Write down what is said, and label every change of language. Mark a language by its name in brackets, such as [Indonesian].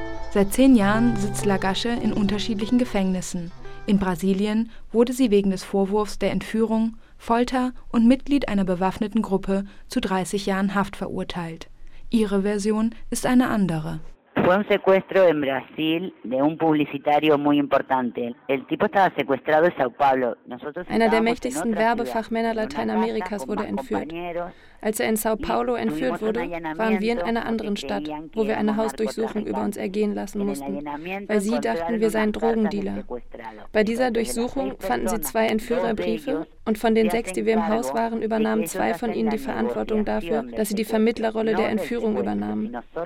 [German] Seit 10 Jahren sitzt La Gasche in unterschiedlichen Gefängnissen. In Brasilien wurde sie wegen des Vorwurfs der Entführung, Folter und Mitglied einer bewaffneten Gruppe zu 30 Jahren Haft verurteilt. Ihre Version ist eine andere. [Spanish] Fue un secuestro en Brasil de un publicitario muy importante. El tipo estaba secuestrado en Sao Paulo. [German] Einer der mächtigsten Werbefachmänner Lateinamerikas wurde entführt. Als er in Sao Paulo entführt wurde, waren wir in einer anderen Stadt, wo wir eine Hausdurchsuchung über uns ergehen lassen mussten, weil sie dachten, wir seien Drogendealer. Bei dieser Durchsuchung fanden sie 2 Entführerbriefe und von den 6, die wir im Haus waren, übernahmen 2 von ihnen die Verantwortung dafür, dass sie die Vermittlerrolle der Entführung übernahmen.